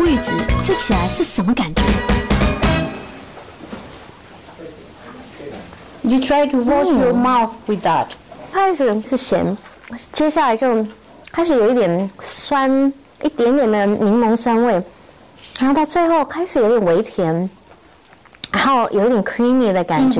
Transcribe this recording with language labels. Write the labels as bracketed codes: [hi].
[zh] 味道跟台湾卖的乌鱼子好像不太一样，因为台湾的味道其实比较重，而且摸起来有一点黏黏的，其实很像我们的番薯，所以真的跟我们的乌鱼子很不一样。看我摸了半天，也闻了半天，观众朋友们一定迫不及待的想知道，这边的乌鱼子吃起来是什么感觉。 [en] You try to wash your mouth with that. [zh] 开始是咸，接下来就 开始有一点酸, 一点点的柠檬酸味, 然后到最后开始有点微甜, 然后有一点creamy的感觉。